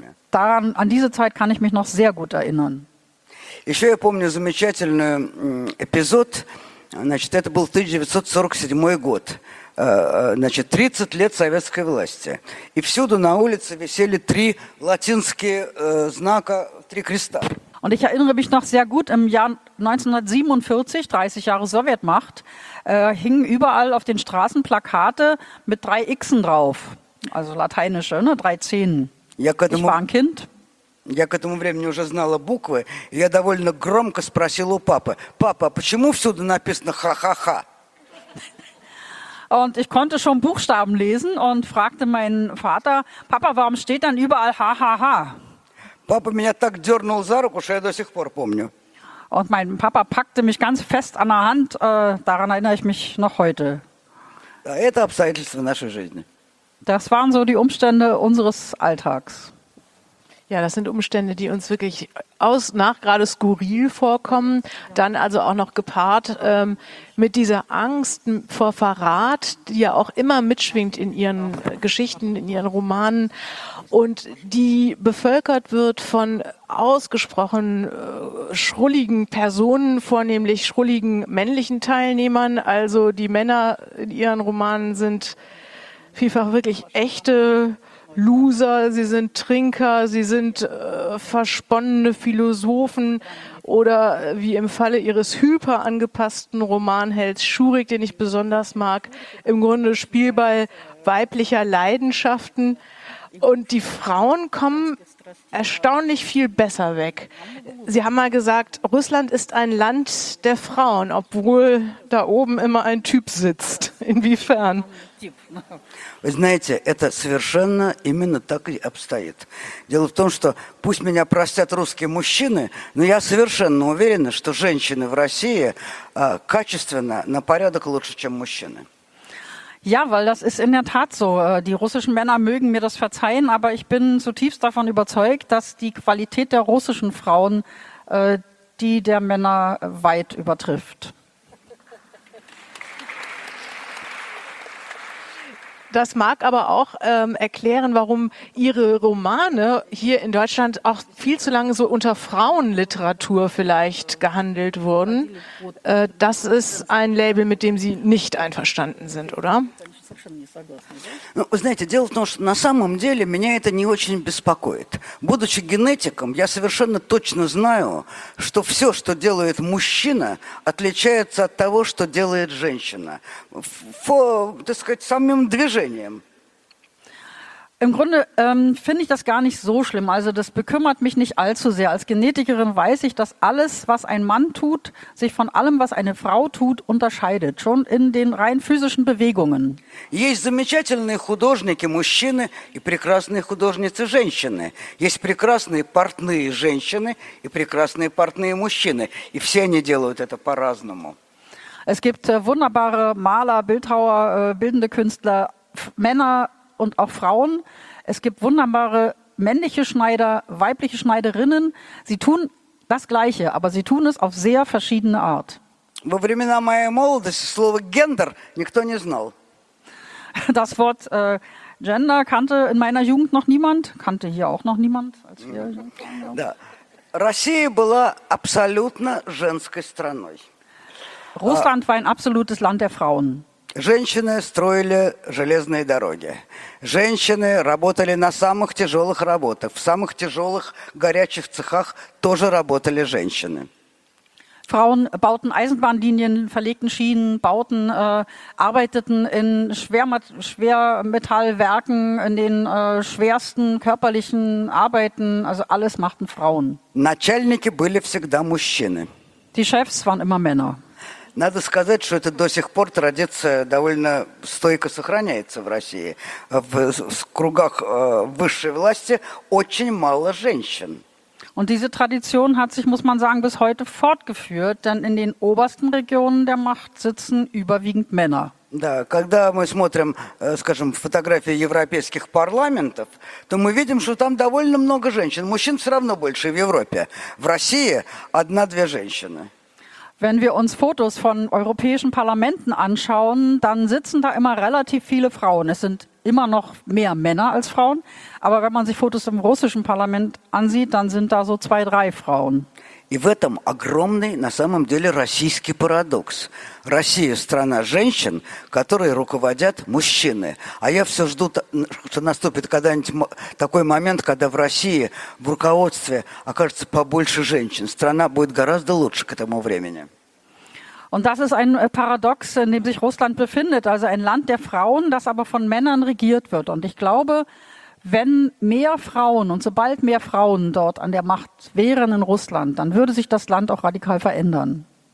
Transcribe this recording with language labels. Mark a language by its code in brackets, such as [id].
[de] Daran, an diese Zeit kann ich mich noch sehr gut erinnern. Ich erinnere mich an eine wunderbare Episode. [ru] Значит, это был 1947 год, значит, 30 лет советской власти. И всюду на улице висели три латинские знака, три креста. [de] Und ich erinnere mich noch sehr gut, im Jahr 1947, 30 Jahre Sowjetmacht, hingen überall auf den Straßen Plakate mit drei Xen drauf, also lateinische, ne, drei Zehen. Ich war ein Kind. [ru] Я к этому времени уже знала буквы, и я довольно громко спросил у папы: «Папа, а почему всюду написано «ха-ха-ха»?» [de] Und ich konnte schon Buchstaben lesen und fragte meinen Vater: «Papa, warum steht dann überall [ru] «ха-ха-ха»?» Папа меня так дернул за руку, что я до сих пор помню. [de] Und mein Papa packte mich ganz fest an der Hand, daran erinnere ich mich noch heute. [ru] Да, это обстоятельства нашей жизни. [de] Das waren so die Umstände unseres Alltags. Ja, das sind Umstände, die uns wirklich aus nach gerade skurril vorkommen. Dann also auch noch gepaart mit dieser Angst vor Verrat, die ja auch immer mitschwingt in ihren Geschichten, in ihren Romanen und die bevölkert wird von ausgesprochen schrulligen Personen, vornehmlich schrulligen männlichen Teilnehmern. Also die Männer in ihren Romanen sind vielfach wirklich echte Loser, sie sind Trinker, sie sind versponnene Philosophen oder wie im Falle ihres hyperangepassten Romanhelds Schurik, den ich besonders mag, im Grunde Spielball weiblicher Leidenschaften. Und die Frauen kommen erstaunlich viel besser weg. Sie haben mal gesagt, Russland ist ein Land der Frauen, obwohl da oben immer ein Typ sitzt. Inwiefern? [ru] Вы знаете, это совершенно именно так и обстоит. Дело в том, что пусть меня простят русские мужчины, но я совершенно уверен, что женщины в России качественно на порядок лучше, чем мужчины. [de] Ja, weil das ist in der Tat so. Die russischen Männer mögen mir das verzeihen, aber ich bin zutiefst davon überzeugt, dass die Qualität der russischen Frauen die der Männer weit übertrifft. Das mag aber auch erklären, warum Ihre Romane hier in Deutschland auch viel zu lange so unter Frauenliteratur vielleicht gehandelt wurden. Das ist ein Label, mit dem Sie nicht einverstanden sind, oder? [ru] Ну, знаете, дело в том, что на самом деле меня это не очень беспокоит. Будучи генетиком, я совершенно точно знаю, что все, что делает мужчина, отличается от того, что делает женщина. Так сказать, самим движением. [de] Im Grunde finde ich das gar nicht so schlimm. Also das bekümmert mich nicht allzu sehr. Als Genetikerin weiß ich, dass alles, was ein Mann tut, sich von allem, was eine Frau tut, unterscheidet. Schon in den rein physischen Bewegungen. [ru] Есть замечательные художники мужчины и прекрасные художницы женщины. Есть прекрасные портные женщины и прекрасные портные мужчины. И все они делают это по-разному. [de] Es gibt wunderbare Maler, Bildhauer, bildende Künstler, Männer und auch Frauen. Es gibt wunderbare männliche Schneider, weibliche Schneiderinnen. Sie tun das Gleiche, aber sie tun es auf sehr verschiedene Art. [ru] Во времена моей молодости слово «гендер» никто не знал. [de] Das Wort «gender» kannte in meiner Jugend noch niemand, kannte hier auch noch niemand. Als wir [ru] Да. Россия была абсолютно женской страной. [de] Russland war ein absolutes Land der Frauen. [ru] Женщины строили железные дороги. Женщины работали на самых тяжелых работах. В самых тяжелых горячих цехах тоже работали женщины. [de] Frauen bauten Eisenbahnlinien, verlegten Schienen, bauten, arbeiteten in Schwermetallwerken, in den schwersten körperlichen Arbeiten, also alles machten Frauen. [ru] Начальники были всегда мужчины. [de] Die Chefs waren immer Männer. [ru] Надо сказать, что это до сих пор традиция довольно стойко сохраняется в России. В кругах высшей власти очень мало женщин. [de] Und diese Tradition hat sich, muss man sagen, bis heute fortgeführt, denn in den obersten Regionen der Macht sitzen überwiegend Männer. [ru] Да, когда мы смотрим, скажем, фотографии европейских парламентов, то мы видим, что там довольно много женщин. Мужчин все равно больше в Европе. В России одна-две женщины. [de] Wenn wir uns Fotos von europäischen Parlamenten anschauen, dann sitzen da immer relativ viele Frauen. Es sind immer noch mehr Männer als Frauen. Aber wenn man sich Fotos im russischen Parlament ansieht, dann sind da so zwei, drei Frauen. [ru] И в этом огромный, на самом деле, российский парадокс. Россия – страна женщин, которые руководят мужчины. А я все жду, что наступит когда-нибудь такой момент, когда в России в руководстве окажется побольше женщин. Страна будет гораздо лучше к этому времени. [de] Und das ist ein Paradox, in dem sich Russland befindet. Also ein Land der Frauen, das aber von Männern regiert wird. Und ich glaube, wenn mehr Frauen und sobald mehr Frauen dort an der Macht wären in Russland, dann würde sich das Land auch radikal verändern.